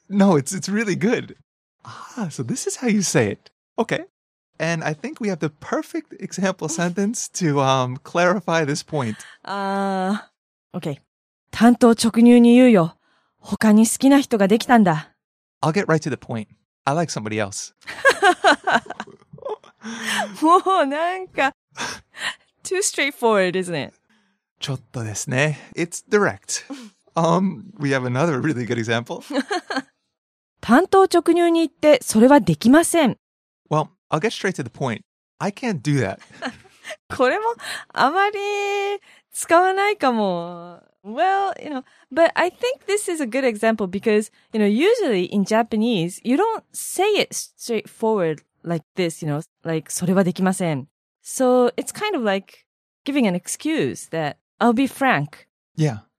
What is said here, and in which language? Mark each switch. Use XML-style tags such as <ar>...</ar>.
<en>No, it's really good. Ah, so this is how you say it. Okay. And I think we have the perfect example sentence to clarify this point.</en> <ja>Okay. 単刀直入に言うよ。他に好きな人ができたんだ。</ja> <en>I'll get right to the point. I like somebody else.</en> <ja>もうなんか、</ja> <en>too straightforward, isn't it?</en> <ja>ちょっとですね。</ja> <en>It's direct. We have another really good example.</en> <ja>単刀直入に言ってそれはできません。</ja> <en>Well, I'll get straight to the point. I can't do that.</en> <ja>これもあまり使わないかも。</ja> <en>Well, you know, but I think this is a good example because, you know, usually in Japanese, you don't say it straightforward like this, you know, like,</en> <ja>それはできません。</ja> <en>So it's kind of like giving an excuse that I'll be frank. Yeah.</en>